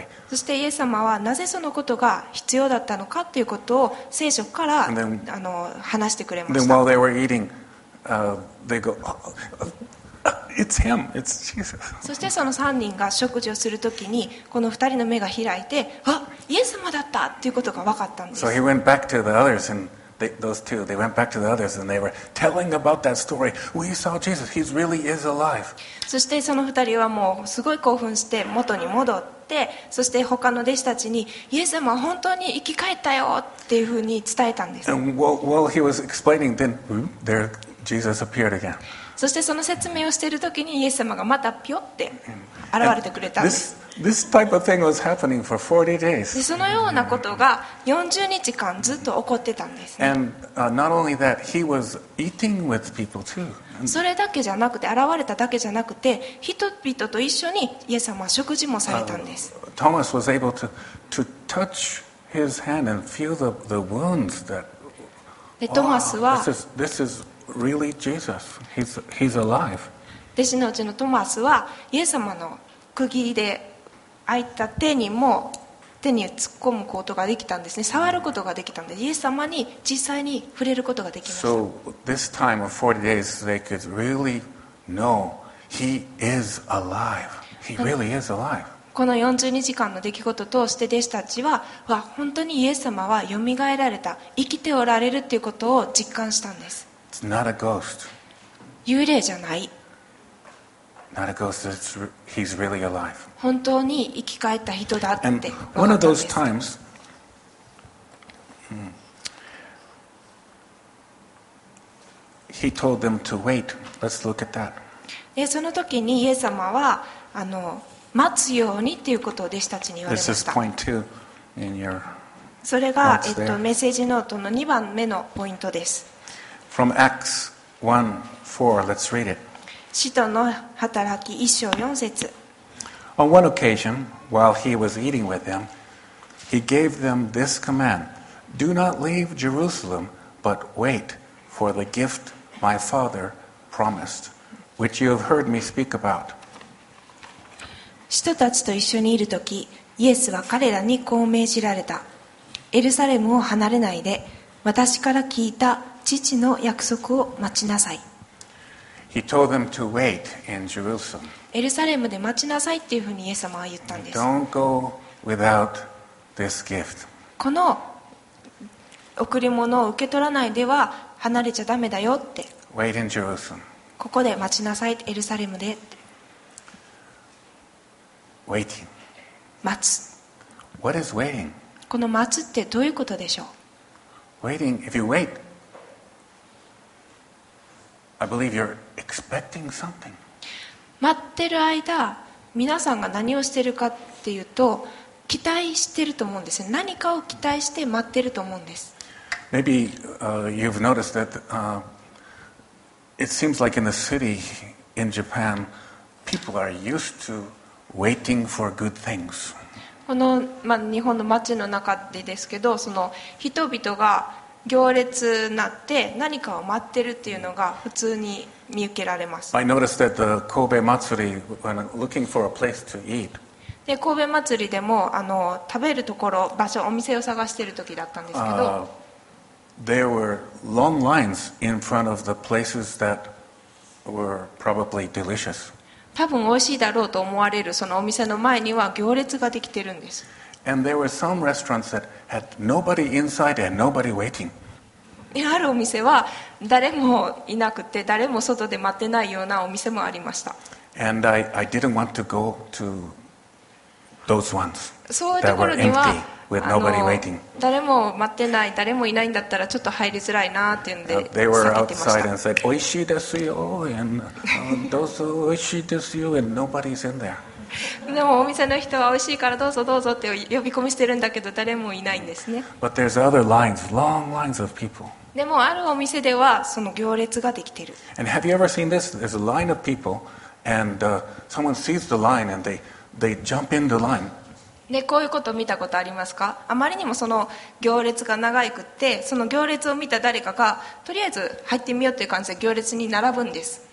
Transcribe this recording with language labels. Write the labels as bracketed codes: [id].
[ja] そしてイエス様はなぜそのことが必要だったのかということを聖書から話してくれました。 [en] While they were eating, they go, "Oh, it's him, it's Jesus." [ja] そしてその3人が食事をするときに、この2人の目が開いて、あ、イエス様だったということが分かったんです。 [en] So he went back to the others andThose two, they went back to the others and they were telling about that story. We saw Jesus. He really is alive. [ja] そしてその二人はもうすごい興奮して元に戻って、そして他の弟子たちにイエス様は本当に生き返ったよっていうふうに伝えたんです。 [en] And while he was explaining, then there Jesus appeared again. [ja] そしてその説明をしている時にイエス様がまたピョって現れてくれたんです。 [en] This type of thing was happening for 40 days. [ja] でそのようなことが40日間ずっと起こってたんですね。 [en] And not only that, he was eating with people too. [ja] それだけじゃなくて、現れただけじゃなくて、人々と一緒にイエス様は食事もされたんです。 [en] Thomas was able to touch his hand and feel the wounds that. [ja] でトマスは、 [en] oh, this is really Jesus. He's alive. [ja] 弟子のうちのトマスはイエス様の釘で開いた手にも手に突っ込むことができたんですね。触ることができたんで、イエス様に実際に触れることができました。 [en] So this time of 40 days, they could really know he is alive. He really is alive. [ja] この40日間の出来事を通して弟子たちは、わ、本当にイエス様は蘇られた、生きておられるということを実感したんです。 [en] It's not a ghost. [ja] 幽霊じゃない。 [en] Not a ghost. He's really alive. [ja] 本当に生き返った人だって分かったんです。 [en] And one of those times, he told them to wait. Let's look at that. [ja] で、その時にイエス様は待つようにっていうことを弟子たちに言われました。 [en] This is point two in your. [ja] それがメッセージノートの2番目のポイントです。 [en] From Acts 1:4, let's read it. [ja] 使徒の働き一章四節。 [en] On one occasion, while he was eating with them, he gave them this command: Do not leave Jerusalem, but wait for the gift my Father promised, which you have heard me speak about. [ja] 使徒たちと一緒にいるとき、イエスは彼らにこう命じられた。エルサレムを離れないで、私から聞いた父の約束を待ちなさい。 [en] He told them to wait in Jerusalem. [ja] エルサレムで待ちなさいっていうふうにイエス様は言ったんです。 [en] Don't go without this gift. [ja] この贈り物を受け取らないでは離れちゃダメだよって。 [en] Wait in Jerusalem. [ja] ここで待ちなさい、エルサレムで。 [en] Waiting. [ja] 待つ。 [en] What is waiting? [ja] この待つってどういうことでしょう。 [en] Waiting. If you wait, I believe you're. Expecting something. [ja] 待ってる間、皆さんが何をしてるかっていうと、期待してると思うんですね。何かを期待して待ってると思うんです。 [en] Maybe you've noticed that it seems like in the city in Japan, people are used to waiting for good things. [ja] この、まあ、日本の街の中でですけど、その人々が行列になって何かを待ってるっていうのが普通に見受けられます。 [en] I noticed that the Kobe Matsuri, when looking for a place to eat, [ja] で神戸祭りでも食べるところ場所お店を探している時だったんですけど、 [en] there were long lines in front of the places that were probably delicious. [ja] 多分美味しいだろうと思われるそのお店の前には行列ができてるんです。 [en] And there were some restaurants that had nobody inside and nobody waiting. [ja] あるお店は誰もいなくて誰も外で待ってないようなお店もありました。 [en] And I didn't want to go to those ones. [ja] そういうところには誰も待ってない誰もいないんだったらちょっと入りづらいなっていうんで [en] They were outside and said, [ja] 美味しいですよ [en] and [ja] どうぞ美味しいですよ [en] and nobody's in there. [ja] でもお店の人は美味しいからどうぞどうぞって呼び込みしてるんだけど誰もいないんですね。 [en] But there's other lines, long lines of people. [ja] でもあるお店ではその行列ができてる。 [en] And have you ever seen this? There's a line of people, and someone sees the line and they jump in the line. [ja] でこういうこと見たことありますか？あまりにもその行列が長くってその行列を見た誰かがとりあえず入ってみようっていう感じで行列に並ぶんです。